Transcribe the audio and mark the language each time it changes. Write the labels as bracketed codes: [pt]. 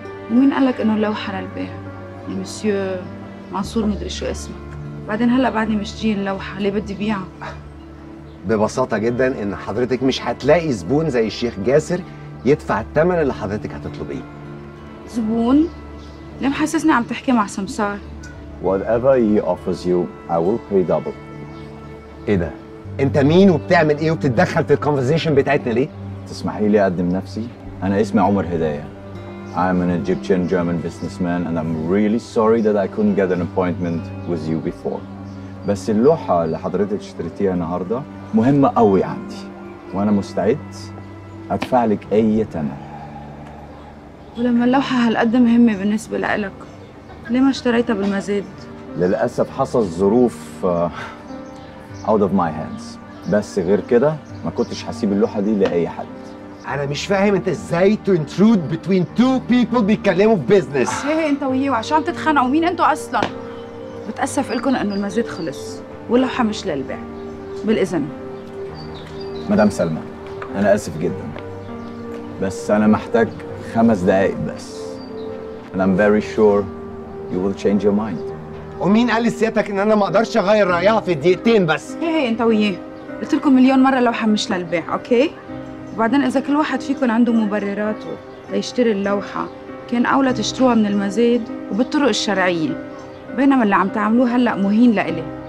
[ar] ومين قالك انه اللوحة للبيع؟ يا مسيو منصور مدري شو اسمك. بعدين هلا بعدني مش جاي اللوحة، ليه بدي بيعها؟ ببساطة جدا ان حضرتك مش هتلاقي زبون زي الشيخ جاسر يدفع الثمن اللي حضرتك هتطلبيه. زبون؟ ليه محسسني عم تحكي مع سمسار؟ [en] Whatever he offers you, I will pay double. [ar] ايه ده؟ انت مين وبتعمل ايه وبتتدخل في الكونفرزيشن بتاعتنا ليه؟ تسمحي لي اقدم نفسي؟ انا اسمي عمر هداية. [en] I'm an Egyptian German businessman and I'm really sorry that I couldn't get an appointment with you before. [ar] بس اللوحة اللي حضرتك اشتريتيها النهارده مهمة قوي عندي. وانا مستعد ادفع لك اي ثمن. ولما اللوحة هالقد مهمة بالنسبة لإلك، ليه ما اشتريتها بالمزيد؟ للأسف حصل ظروف [en] out of my hands، [ar] بس غير كده ما كنتش هسيب اللوحة دي لأي حد. أنا مش فاهم أنت إزاي [en] to intrude between two people [ar] بيتكلموا في بيزنس. هي هي أنت وهي، وعشان تتخانقوا مين أنتوا أصلاً؟ بتأسف لكم إنه المزيد خلص، واللوحة مش للبيع، بالإذن. مدام سلمى، أنا آسف جداً، بس أنا محتاج 5 دقايق بس. [en] And I'm very sure you will change your mind. [ar] ومين قال لسيادتك ان انا ما اقدرش اغير رايها في 2 دقيقة بس؟ ايه ايه انت وياه. قلت لكم مليون مره اللوحه مش للبيع، اوكي؟ وبعدين اذا كل واحد فيكم عنده مبرراته ليشتري اللوحه، كان اولى تشتروها من المزيد وبالطرق الشرعيه. بينما اللي عم تعملوه هلا مهين لإلي.